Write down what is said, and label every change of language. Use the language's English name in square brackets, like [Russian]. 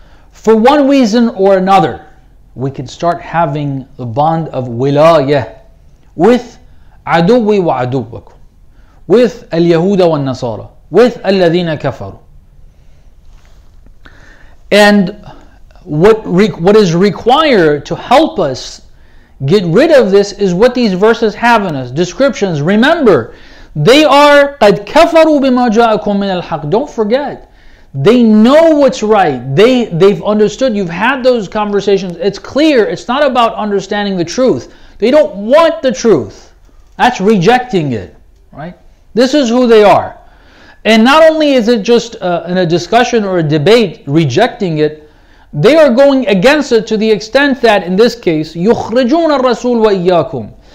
[English] For one reason or another, we can start having the bond of wilayah with [Arabic] aduwi wa aduwakum, [English] with [Arabic] al-yahuda wa al-nasara, [English] with [Arabic] al-ladhina kafaru. [English] And what is required to help us get rid of this is what these verses have in us, descriptions. Remember, they are [Arabic] قَدْ كَفَرُوا بِمَا جَاءَكُمْ مِنَ الْحَقِّ. [English] Don't forget, they know what's right. They've understood, you've had those conversations. It's clear, it's not about understanding the truth. They don't want the truth. That's rejecting it, right? This is who they are. And not only is it just in a discussion or a debate rejecting it, they are going against it to the extent that in this case, [Arabic] يُخْرِجُونَ الرَّسُولَ وَإِيَّاكُمْ.